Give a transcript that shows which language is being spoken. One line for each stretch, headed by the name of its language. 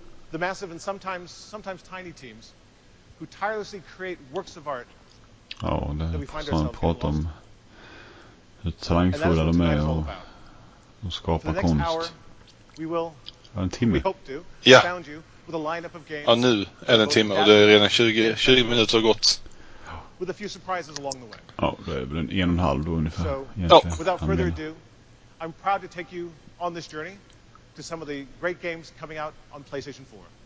English: The massive and sometimes tiny teams who tirelessly create works of art.
Swedish: Ja, det får man prata om. Hur talangfulla de är och de skapar konst. En timme. Ja. Ja, nu är det en timme och det är redan 20 minuter har gått.
English: With a few surprises along the way.
Swedish: Ja, det är väl en och en halv då ungefär.
English: So, without further ado, I'm proud to take you on this journey to some of the great games coming out on PlayStation 4.